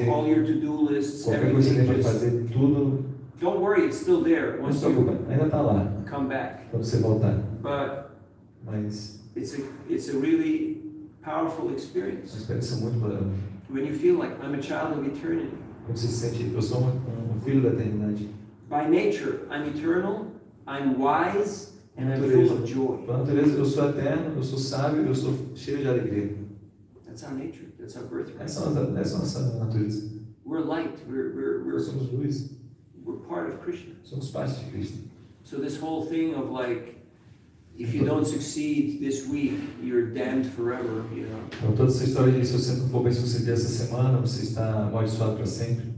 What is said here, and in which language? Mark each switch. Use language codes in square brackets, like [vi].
[en] you know, all your to-do lists, [pt] qualquer coisa que você deve fazer, tudo. [en] Don't worry, it's still there. [pt] Não se preocupe, ainda está lá. [en] Come back. [pt] Quando você voltar. [en] But [pt] mas [en] it's a really powerful experience. [pt] Uma experiência muito poderosa. [en] When you feel like I'm a child of eternity. [pt] Quando você sente que eu sou um filho da eternidade. [en] By nature, I'm eternal. I'm wise and I'm full of joy. [pt] Por natureza, eu sou eterno, eu sou sábio, eu sou cheio de alegria. [en] That's our nature. That's our birthright. [pt] Essa é a nossa natureza. [en] We're light. We're [pt] somos luz. [en] We're part of Krishna. [pt] Somos parte de Krishna. [en] So this whole thing of like, if you don't succeed this week, you're damned forever, you know. [pt] Então toda essa história de se você não for bem sucedido essa semana, você está amaldiçoado para sempre.